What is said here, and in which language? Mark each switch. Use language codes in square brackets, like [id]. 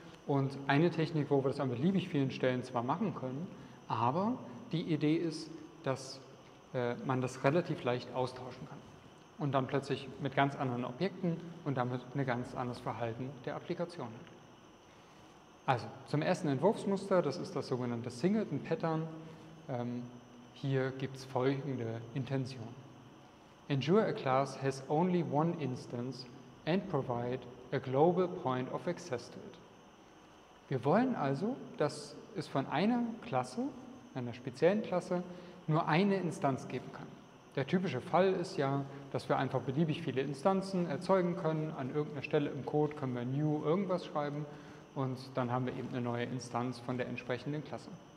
[de] Und eine Technik, wo wir das an beliebig vielen Stellen zwar machen können, aber die Idee ist, dass man das relativ leicht austauschen kann. Und dann plötzlich mit ganz anderen Objekten und damit ein ganz anderes Verhalten der Applikation hat. Also, zum ersten Entwurfsmuster, das ist das sogenannte Singleton Pattern. Hier gibt es folgende Intention. [en] Ensure a class has only one instance and provide a global point of access to it. [de] Wir wollen also, dass es von einer Klasse, einer speziellen Klasse, nur eine Instanz geben kann. Der typische Fall ist ja, dass wir einfach beliebig viele Instanzen erzeugen können. An irgendeiner Stelle im Code können wir new irgendwas schreiben und dann haben wir eben eine neue Instanz von der entsprechenden Klasse.